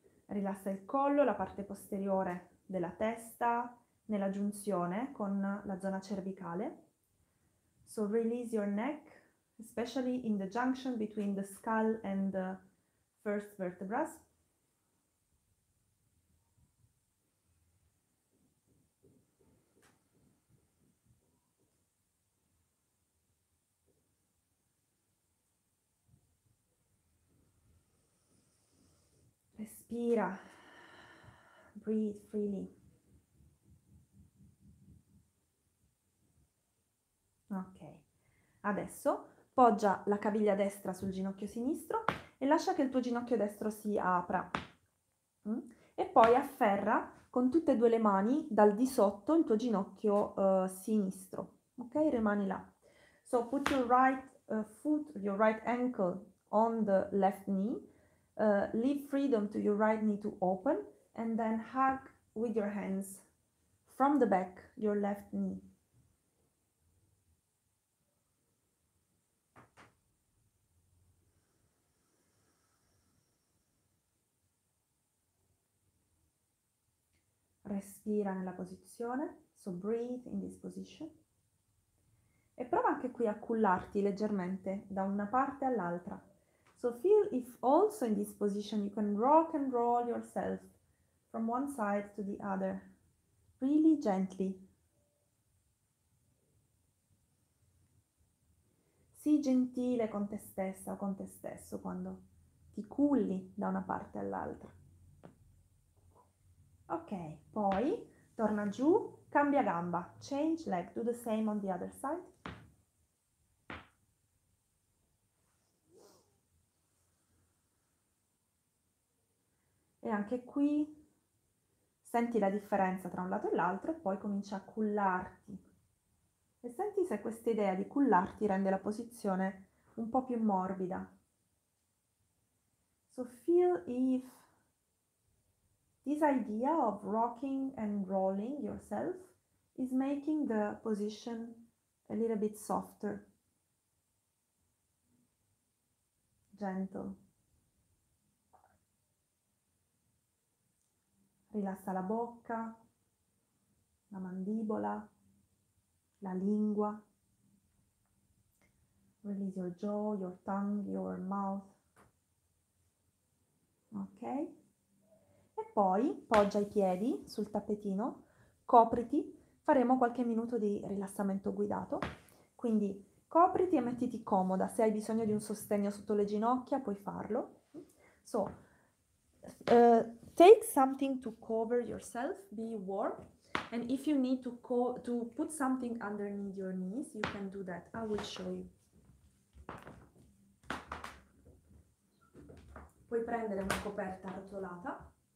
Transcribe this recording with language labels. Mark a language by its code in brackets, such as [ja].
[it] Rilassa il collo, la parte posteriore della testa nella giunzione con la zona cervicale. [en] So release your neck, especially in the junction between the skull and the first vertebras. [it] Respira. [en] Breathe freely. Ok. [it] Adesso poggia la caviglia destra sul ginocchio sinistro e lascia che il tuo ginocchio destro si apra. E poi afferra con tutte e due le mani dal di sotto il tuo ginocchio sinistro. Ok? Rimani là. [en] So put your right foot, your right ankle on the left knee. Leave freedom to your right knee to open. And then hug with your hands from the back your left knee. [it] Respira nella posizione, [en] so breathe in this position. [it] E prova anche qui a cullarti leggermente da una parte all'altra. [en] So feel if also in this position you can rock and roll yourself. From one side to the other, really gently. [it] Sii gentile con te stessa o con te stesso quando ti culli da una parte all'altra. [en] Ok, [it] poi torna giù, cambia gamba, [en] change leg, do the same on the other side. [it] E anche qui senti la differenza tra un lato e l'altro e poi comincia a cullarti. E senti se questa idea di cullarti rende la posizione un po' più morbida. [en] So feel if this idea of rocking and rolling yourself is making the position a little bit softer. Gentle. [it] Rilassa la bocca, la mandibola, la lingua. [en] Release your jaw, your tongue, your mouth. Ok? [it] E poi poggia i piedi sul tappetino, copriti. Faremo qualche minuto di rilassamento guidato. Quindi copriti e mettiti comoda. Se hai bisogno di un sostegno sotto le ginocchia, puoi farlo. [en] So, take something to cover yourself, be warm, and if you need to put something underneath your knees, you can do that. I will show you. [it] Puoi prendere una coperta arrotolata.